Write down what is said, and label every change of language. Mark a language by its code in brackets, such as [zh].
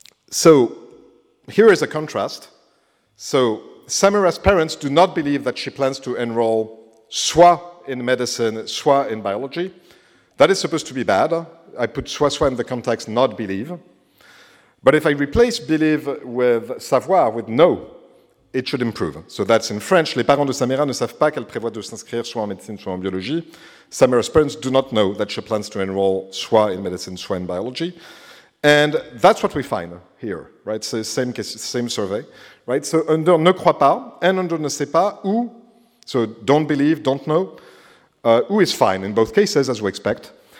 [en] So here is a contrast. So Samira's parents do not believe that she plans to enroll soit in medicine, soit in biology. That is supposed to be bad. I put soit-soit in the context, not believe. But if I replace believe with savoir, with know, it should improve. So that's in French. [fr] Les parents de Samira ne savent pas qu'elle prévoit de s'inscrire soit en médecine, soit en biologie. [en] Samira's parents do not know that she plans to enroll soit in medicine, soit in biology. And that's what we find here, right? So same case, same survey, right? So under ne croit pas and under ne sait pas, ou, so don't believe, don't know, ou is fine in both cases, as we expect.